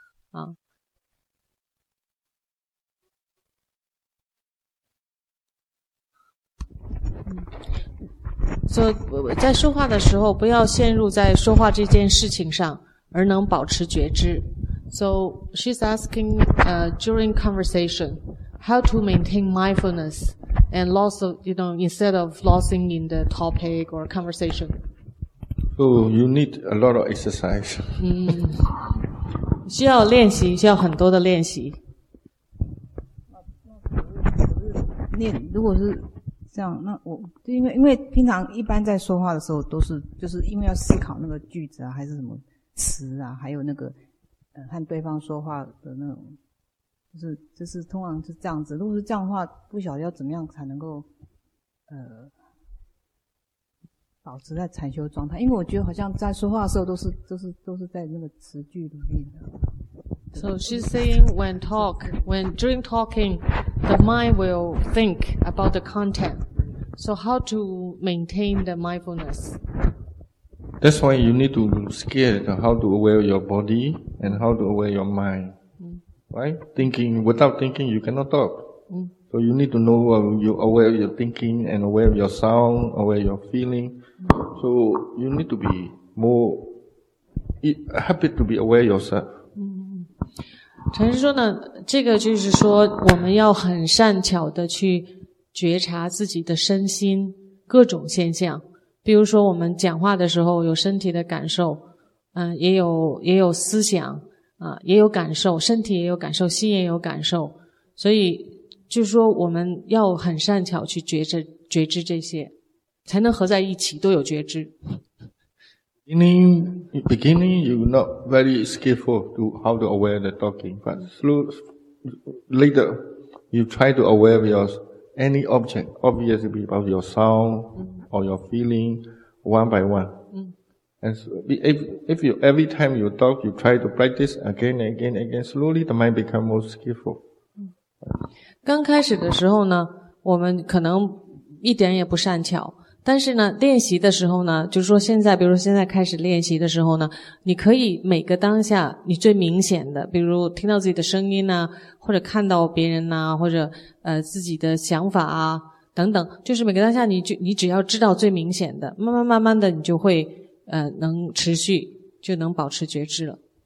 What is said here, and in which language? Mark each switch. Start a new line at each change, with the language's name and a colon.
Chinese: 啊，所以在说话的时候不要陷入在说话这件事情上，而能保持觉知。
English: So she's asking during conversation how to maintain mindfulness and loss of, you know, instead of losing in the topic or conversation. Oh, you need a lot of exercise.
Chinese: 需要练习，需要很多的练习。念，如果是这样，那我因为平常一般在说话的时候都是就是因为要思考那个句子啊，还是什么词啊，还有那个和对方说话的那种，就是通常是这样子。如果是这样的话，不晓得要怎么样才能够保持在禅修状态，因为我觉得好像在说话的时候都是在那个词句里面的。
English: So she's saying when during talking, the mind will think about the content. So how to maintain the mindfulness? That's why you need to scale how to aware your body and how to aware your mind. Right? Thinking, without thinking, you cannot talk. So you need to know you aware of your thinking and aware of your sound, aware of your feeling. So you need to be more happy to be aware of yourself.
Chinese: 陈师说呢，这个就是说我们要很善巧的去觉察自己的身心各种现象，比如说我们讲话的时候有身体的感受，也有思想啊，也有感受，身体也有感受，心也有感受，所以就是说我们要很善巧去觉知这些，才能合在一起都有觉知。
English: Beginning, you're not very skillful to how to aware the talking, but later, you try to aware of your any object, obviously about your sound or your feeling, one by one. And so if you, every time you talk, you try to practice again and again and again, slowly the mind becomes more skillful.
Chinese: 刚开始的时候呢，我们可能一点也不善巧，但是呢练习的时候呢，就是说现在比如说现在开始练习的时候呢，你可以每个当下你最明显的，比如听到自己的声音啊，或者看到别人啊，或者自己的想法啊等等，就是每个当下你只要知道最明显的，慢慢慢慢的你就会能持续就能保持觉知了。